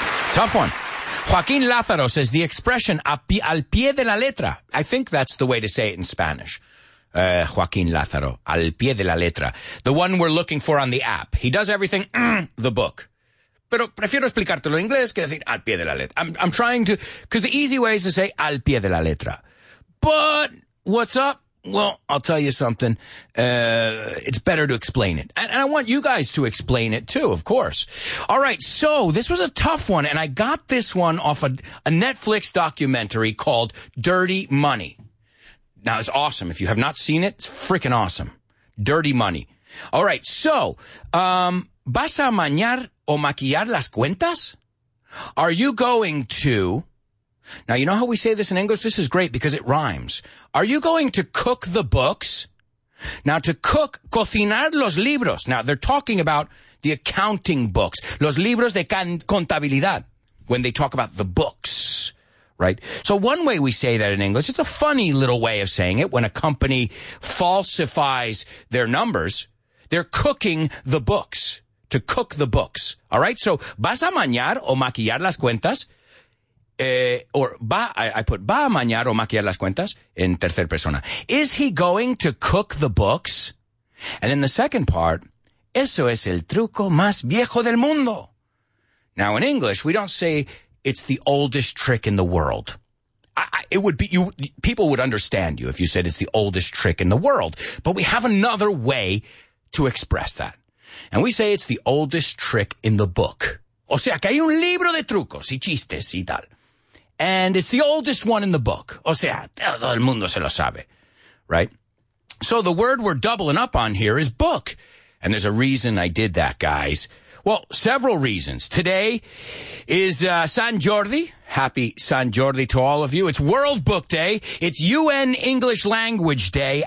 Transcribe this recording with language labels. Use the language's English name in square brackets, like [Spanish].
[English] Tough one. Joaquin Lázaro says the expression [Spanish] al pie de la letra. [English] I think that's the way to say it in Spanish. Joaquin Lázaro, [Spanish] al pie de la letra. [English] The one we're looking for on the app. He does everything, the book. [Spanish] Pero prefiero explicártelo en inglés que decir al pie de la letra. [English] I'm trying to, because the easy way is to say [Spanish] al pie de la letra. [English] But what's up? Well, I'll tell you something. It's better to explain it. And I want you guys to explain it, too, of course. All right, so this was a tough one, and I got this one off a Netflix documentary called Dirty Money. Now, it's awesome. If you have not seen it, it's freaking awesome. Dirty Money. All right, so [Spanish] ¿vas a mañar o maquillar las cuentas? [English] Are you going to... Now, you know how we say this in English? This is great because it rhymes. Are you going to cook the books? Now, to cook, [Spanish] cocinar los libros. [English] Now, they're talking about the accounting books. [Spanish] Los libros de contabilidad. [English] When they talk about the books, right? So one way we say that in English, it's a funny little way of saying it. When a company falsifies their numbers, they're cooking the books. To cook the books. All right? [Spanish] So, ¿vas a mañar o maquillar las cuentas? Va a mañar o maquillar las cuentas en tercera persona. [English] Is he going to cook the books? And then the second part, [Spanish] eso es el truco más viejo del mundo. [English] Now, in English, we don't say it's the oldest trick in the world. It would be you. People would understand you if you said it's the oldest trick in the world. But we have another way to express that. And we say it's the oldest trick in the book. [Spanish] O sea, que hay un libro de trucos y chistes y tal. [English] And it's the oldest one in the book. [Spanish] O sea, todo el mundo se lo sabe. [English] Right? So the word we're doubling up on here is book. And there's a reason I did that, guys. Well, several reasons. Today is San Jordi. Happy San Jordi to all of you. It's World Book Day. It's UN English Language Day.